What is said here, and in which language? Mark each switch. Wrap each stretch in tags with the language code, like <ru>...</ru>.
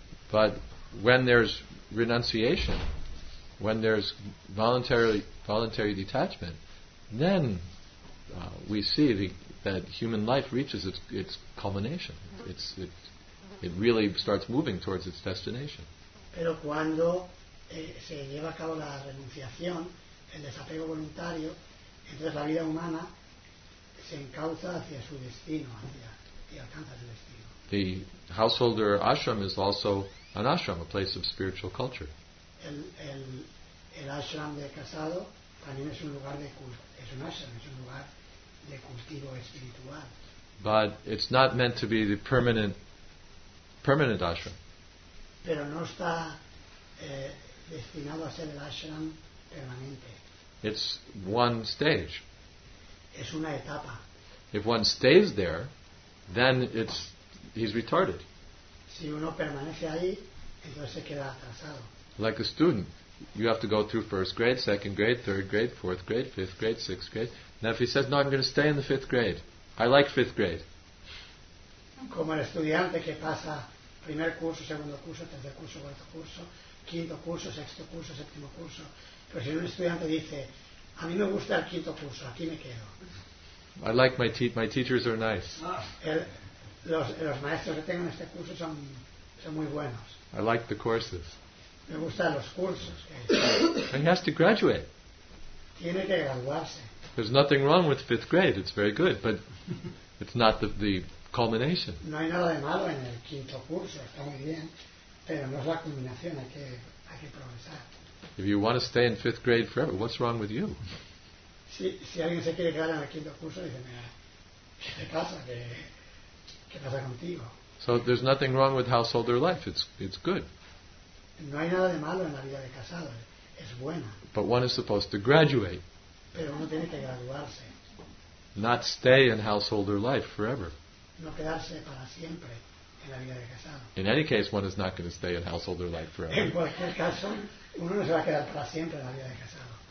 <en>But when there's renunciation, when there's voluntary detachment, then we see that human life reaches its culmination. It really starts moving towards its destination.</en> <es>Pero cuando se lleva a cabo la renunciación, el desapego voluntario, entonces la vida humana se encauza hacia su destino, y alcanza su destino.</es> <en>The householder ashram is also an ashram, a place of spiritual culture.</en> <es>El ashram de casado también es un lugar de culto, es un ashram, es un lugar de cultivo espiritual.</es> <en>But it's not meant to be the permanent ashram.</en> <es>Pero no está destinado a ser el ashram permanente.</es> <en>It's one stage.</en> <es>Es una etapa.</es> <en>If one stays there, then he's retarded.</en> <es>Si uno permanece ahí, entonces se queda atrasado.</es> <en>Like a student, you have to go through first grade, second grade, third grade, fourth grade, fifth grade, sixth grade. Now if he says, no, I'm going to stay in the fifth grade. I like fifth grade.</en> <es>Como el estudiante que pasa primer curso, segundo curso, tercer curso, cuarto curso, quinto curso, sexto curso, séptimo curso. Pero si un estudiante dice, a mí me gusta el quinto curso, aquí me quedo.</es> <en>I like my teachers are nice.</en> <es>Los maestros que tengo en este curso son muy buenos.</es> <en>I like the courses.</en> <es>Me gustan los cursos.</es> <en>He has to graduate.</en> <es>Tiene que graduarse.</es> <en>There's nothing wrong with fifth grade. It's very good, but it's not the culmination.</en> <es>No hay nada de malo en el quinto curso. Está muy bien. Pero no es la culminación, hay que progresar.</es> <en>If you want to stay in fifth grade forever, what's wrong with you?</en> <es>Si alguien se quiere quedar en el quinto curso, dice, mira, ¿qué pasa contigo?</es> <en>So there's nothing wrong with householder life. It's good.</en> <es>No hay nada de malo en la vida de casado. Es buena.</es> <en>But one is supposed to graduate.</en> <es>Pero uno tiene que graduarse.</es> <en>Not stay in householder life forever.</en> <es>No quedarse para siempre. En la vida de casado.</es> <en>In any case, one is not going to stay in householder life forever.</en> <es>En cualquier caso, uno no se va a quedar para siempre en la vida de casado.</es>